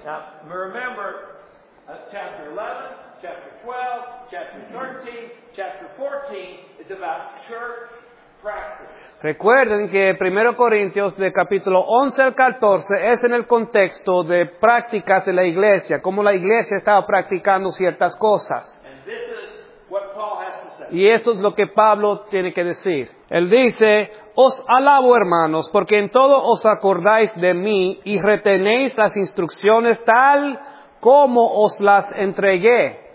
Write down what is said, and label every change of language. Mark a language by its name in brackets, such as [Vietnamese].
[English] Now, remember, chapter 11, chapter 12, chapter 13, chapter 14 is about church practice. [Spanish] Recuerden que 1 Corintios de capítulo 11 al 14 es en el contexto de prácticas de la iglesia, cómo la iglesia estaba practicando ciertas cosas. [English] And this is what Paul has to say. [Spanish] Y esto es lo que Pablo tiene que decir. Él dice, os alabo, hermanos, porque en todo os acordáis de mí y retenéis las instrucciones tal como os las entregué.